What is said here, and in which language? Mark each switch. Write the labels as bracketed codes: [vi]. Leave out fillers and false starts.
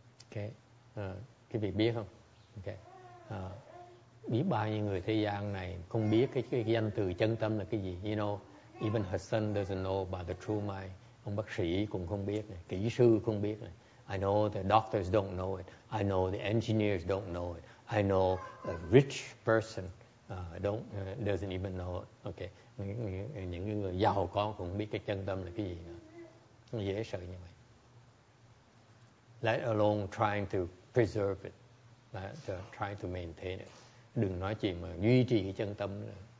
[vi] Okay. Quý vị biết không? Okay. Biết bao nhiêu người thế gian này không biết cái danh từ chân tâm là cái gì. [en] You know, even her son doesn't know about the true mind. [vi] Ông bác sĩ cũng không biết này. Kỹ sư không biết này. [en] I know the doctors don't know it. I know the engineers don't know it. I know a rich person doesn't even know it. Okay. [vi] Những người giàu có cũng không biết cái chân tâm là cái gì nữa. Dễ sợ như vậy. [en] Let alone trying to preserve it. Try to maintain it. [vi] Đừng nói chuyện mà duy trì cái chân tâm nữa.